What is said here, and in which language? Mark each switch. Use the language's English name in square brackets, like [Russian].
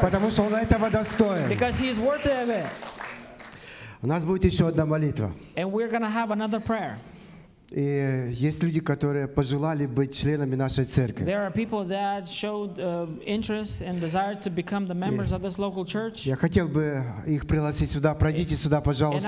[Russian] Потому что Он этого достоин. [English] Because He is worthy of it. [Russian] У нас будет еще одна молитва. [English] And we're going to have another prayer. [Russian] И есть люди, которые пожелали быть членами нашей церкви. [English] There are people that showed interest and desire to become the members of this local church. [Russian] Я хотел бы их пригласить сюда. Пройдите сюда, пожалуйста.